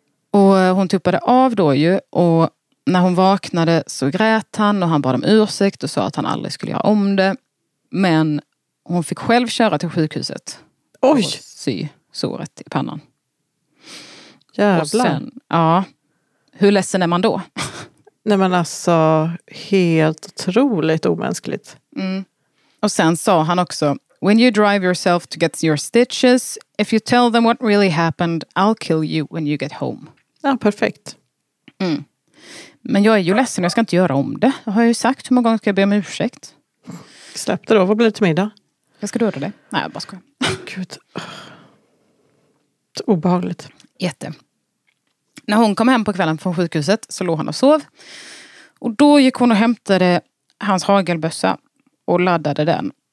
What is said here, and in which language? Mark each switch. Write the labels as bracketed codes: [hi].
[sv] Och hon tuppade av då ju, och när hon vaknade så grät han och han bad om ursäkt och sa att han aldrig skulle göra om det. Men hon fick själv köra till sjukhuset. Oj. Och sy såret i pannan. Jävlar. Och sen, ja. Hur ledsen är man då? Nej men alltså, helt otroligt omänskligt. Mm. [en] Och sen sa han också, when you drive yourself to get your stitches, if you tell them what really happened, I'll kill you when you get home. [sv] Ja, perfekt. Mm. Men jag är ju ledsen, jag ska inte göra om det. Jag har ju sagt, hur många gånger ska jag be om ursäkt? Släpp det då, vad blir det till middag? Jag ska döda dig. Nej, jag bara ska. Gud. Obehagligt. Jätte. När hon kom hem på kvällen från sjukhuset så låg han och sov. Och då gick hon och hämtade hans hagelbössa och laddade den.